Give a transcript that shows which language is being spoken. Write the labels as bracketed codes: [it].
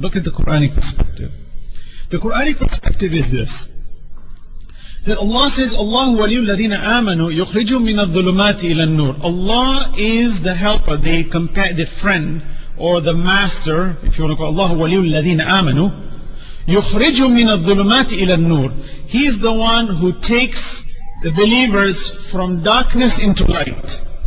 [en] Look at the Quranic perspective. The Quranic perspective is this. That Allah says, [ar] اللَّهُ وَلِيُّ الَّذِينَ آمَنُوا يُخْرِجُوا مِنَ الظُّلُمَاتِ إِلَى النُّورِ. [en] Allah is the helper, the friend, or the master, if you want to call it, [ar] اللَّهُ وَلِيُّ الَّذِينَ آمَنُوا يُخْرِجُوا مِنَ الظُّلُمَاتِ إِلَى النُّورِ. [en] He is the one who takes the believers from darkness into light.